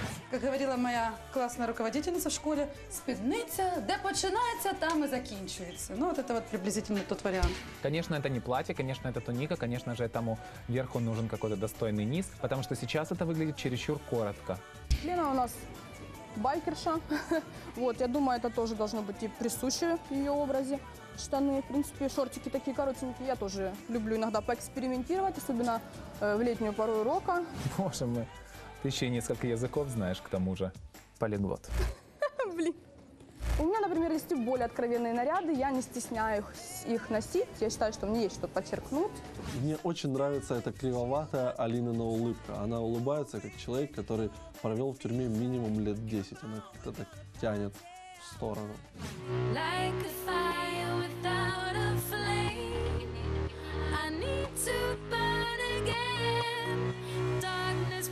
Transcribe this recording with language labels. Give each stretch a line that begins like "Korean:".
Russian: Как говорила моя классная руководительница в школе,
Ukrainian: спідниця, де починається, там и закінчується.
Russian: Ну, вот это вот приблизительно тот вариант. Конечно, это не платье, конечно, это туника, конечно же, этому верху нужен какой-то достойный низ, потому что сейчас это выглядит чересчур коротко. Лена у нас байкерша. Вот, я думаю, это тоже должно быть и присуще ее образе. Штаны, в принципе, шортики такие коротенькие. Я тоже люблю иногда поэкспериментировать, особенно в летнюю пору рока. Боже мой. Ты еще и несколько языков знаешь, к тому же. Полиглот. Блин. У меня, например, есть более откровенные наряды. Я не стесняюсь их носить. Я считаю, что мне есть что подчеркнуть. Мне очень нравится эта кривоватая Алинина улыбка. Она улыбается, как человек, который провел в тюрьме минимум лет 10. Она как-то так тянет в сторону.
English: Like a fire without a flame. I need to burn again.